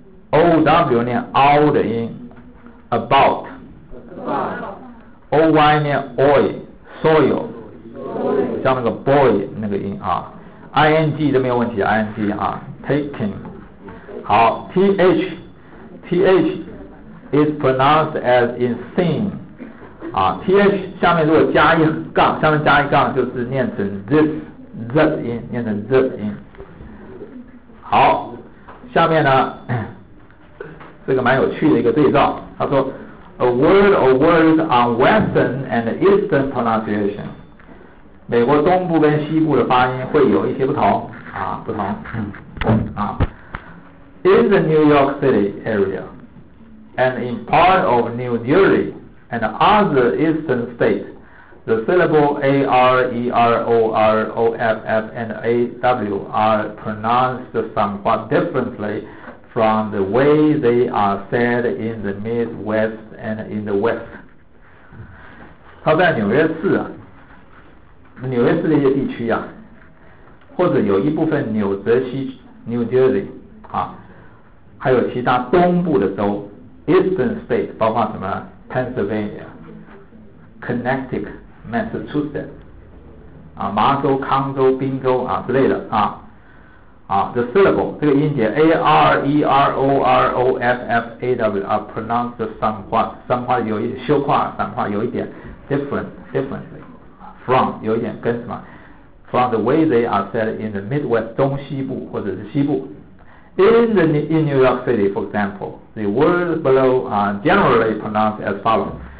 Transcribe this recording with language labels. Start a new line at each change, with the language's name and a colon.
Chinese: OW 念 O 的音 about。 OY 念 oi soil， 像那个 boy 那个音啊。 ING 都没有问题， ING 啊 taking。
English: 好， TH is pronounced as in sing。
Chinese: 啊 ，th 下面如果加一杠，下面加一杠就是念成 z 音，念成 z 音。好，下面呢，这这个蛮有趣的一个对照，他说
English: A word or words on Western and Eastern pronunciation，
Chinese: 美国东部跟西部的发音会有一些不同啊，不同啊。
English: In the New York City area and in part of New Jersey and other eastern states, the syllable A-R-E-R-O-R-O-F-F and A-W are pronounced somewhat differently from the way they are said in the Midwest and in the West.
Chinese: 他在纽约市啊，纽约市这些地区啊，或者有一部分纽泽西 New Jersey 啊，还有其他东部的州 Eastern state 包括什么 Pennsylvania Connecticut Massachusetts 啊，麻州康州宾州啊之类的啊啊 The syllable 这个音节 A-R-E-R-O-R-O-F-F-A-W
English: are pronounced somewhat
Chinese: 有一点修化 somewhat 有一点 differently from 有一点跟什么
English: from the way they are said in the Midwest
Chinese: 东西部或者是西部。
English: In New York City, for example, the words below are generally pronounced as follows.